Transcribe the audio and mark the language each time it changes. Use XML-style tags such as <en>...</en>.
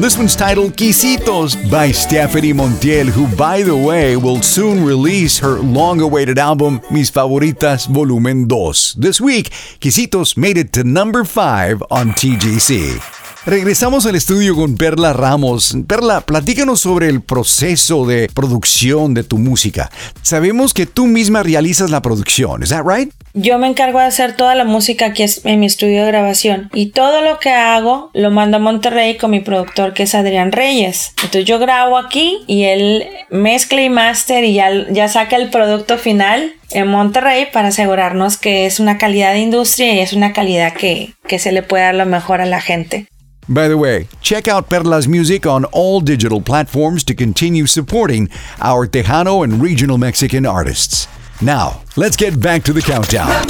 <en>This one's titled Quisitos by Stephanie Montiel, who, by the way, will soon release her long-awaited album Mis Favoritas Volumen 2. This week, Quisitos made it to number 5 on TGC.</en> <es>Regresamos al estudio con Perla Ramos. Perla, platícanos sobre el proceso de producción de tu música. Sabemos que tú misma realizas la producción, ¿es</es> <en>that right?</en> <es>Yo me encargo de hacer toda la música aquí en mi estudio de grabación. Y todo lo que hago lo mando a Monterrey con mi productor, que es Adrián Reyes. Entonces yo grabo aquí y él mezcla y master y ya saca el producto final en Monterrey para asegurarnos que es una calidad de industria y es una calidad que se le puede dar lo mejor a la gente.</es> <en>By the way, check out Perla's music on all digital platforms to continue supporting our Tejano and regional Mexican artists. Now, let's get back to the countdown.</en>